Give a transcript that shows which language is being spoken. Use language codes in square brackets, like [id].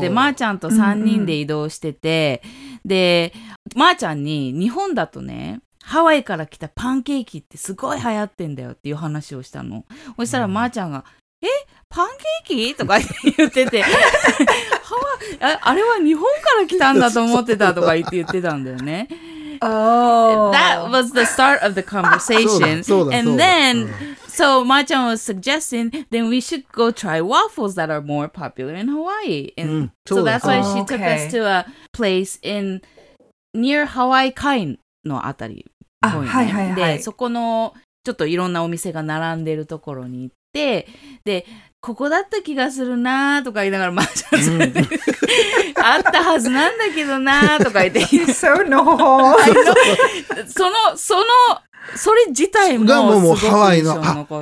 [ja] で、まーちゃんと3人で移動してて、うんうん、で、まーちゃんに、日本だとね、ハワイから来たパンケーキってすごい流行ってんだよっていう話をしたの。そしたらまーちゃんが、うん、え？パンケーキ？とか言ってて、ハワイ、あれは日本から来たんだと思ってたとか言ってたんだよね。 [en] Oh. That was the start of the conversation. [ja] そうだ、そうだ、 [en] and then, So, Ma-chan was suggesting, then we should go try waffles that are more popular in Hawaii. And so that's why she took us to a place in near Hawaii Kai のあたり。 [ja] あ、はいはいはい。で、そこのちょっといろんなお店が並んでるところに行って、で、ここだった気がするなーとか言いながら、 [en] Ma-chan said, [ja] あったはずなんだけどなーとか言って。 [en] So, no! [ja] その、それ自体もすごく印象残って、もう